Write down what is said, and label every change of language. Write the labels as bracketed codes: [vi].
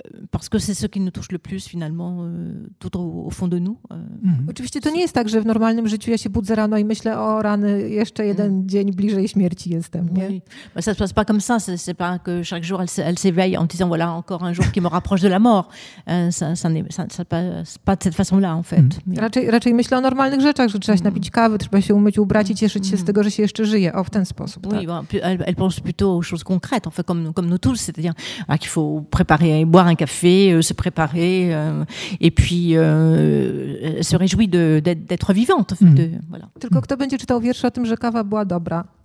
[fr] Parce que c'est ce qui nous touche le plus, finalement, tout au fond de nous. [pl] Oczywiście to nie jest tak, że w normalnym życiu ja się budzę rano i myślę, o rany, jeszcze jeden dzień bliżej śmierci jestem, nie? [fr] Oui. Ça ne se passe pas comme ça, ce n'est pas que chaque jour elle s'éveille en disant voilà encore un jour qui me rapproche de la mort. Ça ne passe pas de cette façon-là en fait. [pl] Raczej myślę o normalnych rzeczach, że trzeba się napić kawy, trzeba się umyć, ubrać i cieszyć się z tego, że się jeszcze żyje. O, w ten sposób. [fr] Oui, [pl] tak. [fr] Elle pense plutôt aux choses concrètes, en fait, comme nous tous, c'est-à-dire qu'il faut préparer, boire un café, se préparer et puis se réjouir d'être vivante. En fait, voilà. [pl] Tylko kto będzie czytał wiersze o tym, że kawa była dobra?